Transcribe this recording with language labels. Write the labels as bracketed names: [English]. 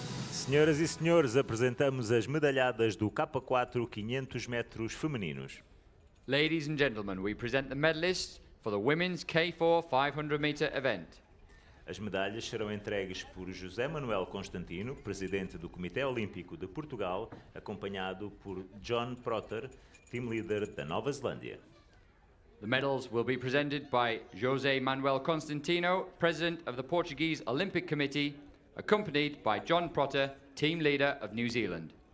[Portuguese] Senhoras e senhores, apresentamos as medalhadas do K4 500 metros femininos. [English] Ladies and gentlemen, we present the medalists for the women's K4 500 meter event. [Portuguese] As medalhas serão entregues por José Manuel Constantino, presidente do Comitê Olímpico de Portugal, acompanhado por John Protter, team leader da Nova Zelândia. [English] The medals will be presented by José Manuel Constantino, president of the Portuguese Olympic Committee, accompanied by John Protter, team leader of New Zealand.